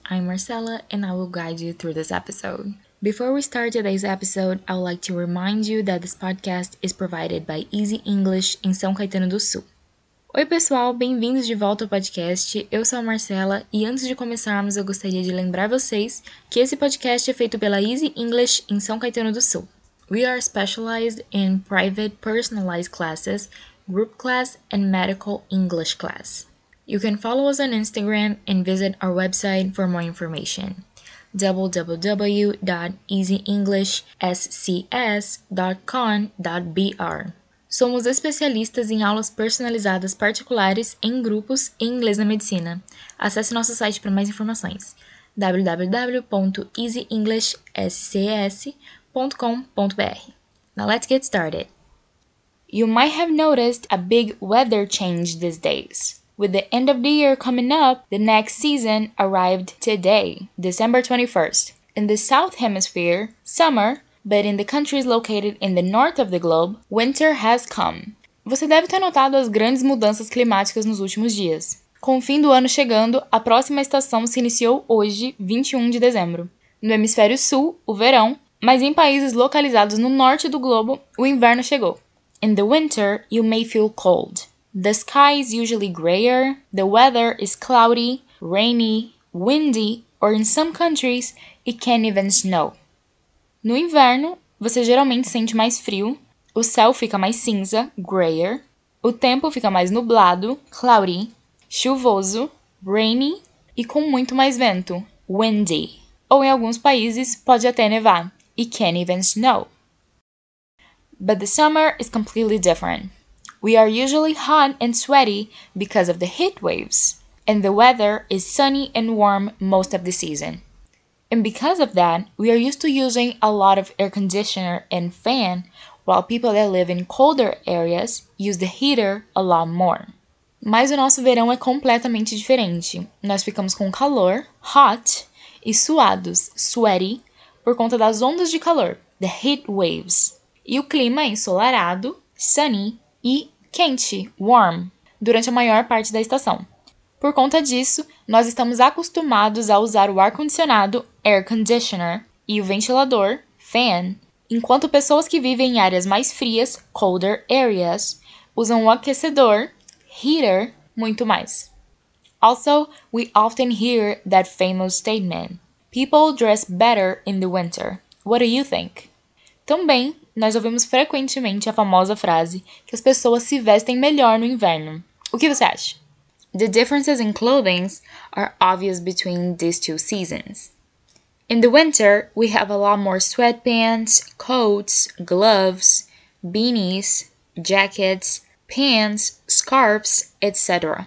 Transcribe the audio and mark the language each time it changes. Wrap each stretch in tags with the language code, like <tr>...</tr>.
<en>I'm Marcella and I will guide you through this episode. Before we start today's episode, I would like to remind you that this podcast is provided by Easy English in São Caetano do Sul.</en> <pt>Oi pessoal, bem-vindos de volta ao podcast. Eu sou a Marcella e antes de começarmos, eu gostaria de lembrar vocês que esse podcast é feito pela Easy English em São Caetano do Sul.</pt> <en>We are specialized in private personalized classes, group class and medical English class. You can follow us on Instagram and visit our website for more information, www.easyenglishscs.com.br.</en> <pt>Somos especialistas em aulas personalizadas particulares em grupos em inglês na medicina. Acesse nosso site para mais informações, www.easyenglishscs.com.br.</pt> <en>Now let's get started. You might have noticed a big weather change these days. With the end of the year coming up, the next season arrived today, December 21st. In the South Hemisphere, summer, but in the countries located in the north of the globe, winter has come.</en> <pt>Você deve ter notado as grandes mudanças climáticas nos últimos dias. Com o fim do ano chegando, a próxima estação se iniciou hoje, 21 de dezembro. No hemisfério sul, o verão, mas em países localizados no norte do globo, o inverno chegou.</pt> <en>In the winter, you may feel cold. The sky is usually grayer, the weather is cloudy, rainy, windy, or in some countries, it can even snow.</en> <pt>No inverno, você geralmente sente mais frio, o céu fica mais cinza,</pt> <en>grayer,</en> <pt>o tempo fica mais nublado,</pt> <en>cloudy,</en> <pt>chuvoso,</pt> <en>rainy,</en> <pt>e com muito mais vento,</pt> <en>windy.</en> <pt>Ou em alguns países, pode até nevar,</pt> <en>it can even snow. But the summer is completely different. We are usually hot and sweaty because of the heat waves, and the weather is sunny and warm most of the season. And because of that, we are used to using a lot of air conditioner and fan, while people that live in colder areas use the heater a lot more.</en> <pt>Mas o nosso verão é completamente diferente. Nós ficamos com calor,</pt> <en>hot,</en> <pt>e suados,</pt> <en>sweaty,</en> <pt>por conta das ondas de calor,</pt> <en>the heat waves.</en> <pt>E o clima é ensolarado,</pt> <en>sunny,</en> <pt>e quente,</pt> <en>warm,</en> <pt>durante a maior parte da estação. Por conta disso, nós estamos acostumados a usar o ar-condicionado,</pt> <en>air conditioner,</en> <pt>e o ventilador,</pt> <en>fan,</en> <pt>enquanto pessoas que vivem em áreas mais frias,</pt> <en>colder areas,</en> <pt>usam o aquecedor,</pt> <en>heater,</en> <pt>muito mais.</pt> <en>Also, we often hear that famous statement, people dress better in the winter. What do you think?</en> <pt>Também, nós ouvimos frequentemente a famosa frase que as pessoas se vestem melhor no inverno. O que você acha?</pt> <en>The differences in clothing are obvious between these two seasons. In the winter, we have a lot more sweatpants, coats, gloves, beanies, jackets, pants, scarves, etc.</en>